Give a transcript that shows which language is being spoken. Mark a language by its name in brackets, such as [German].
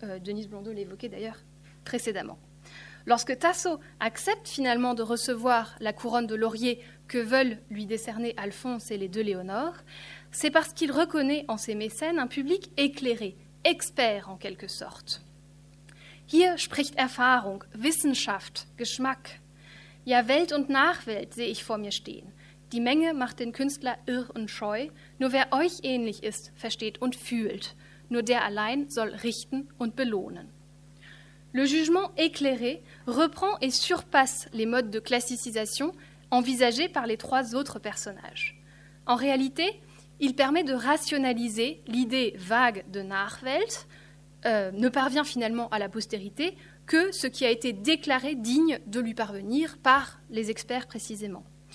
[French] Denise Blondeau l'évoquait d'ailleurs précédemment. Lorsque Tasso accepte finalement de recevoir la couronne de laurier que veulent lui décerner Alphonse et les deux Léonore, c'est parce qu'il reconnaît en ses mécènes un public éclairé, expert en quelque sorte. [German] Hier spricht Erfahrung, Wissenschaft, Geschmack. Ja, Welt und Nachwelt sehe ich vor mir stehen. Die Menge macht den Künstler irr und scheu. Nur wer euch ähnlich ist, versteht und fühlt. Nur der allein soll richten und belohnen. [French] Le jugement éclairé reprend et surpasse les modes de classicisation envisagés par les trois autres personnages. En réalité, il permet de rationaliser l'idée vague de Nachwelt, ne parvient finalement à la postérité que ce qui a été déclaré digne de lui parvenir par les experts précisément.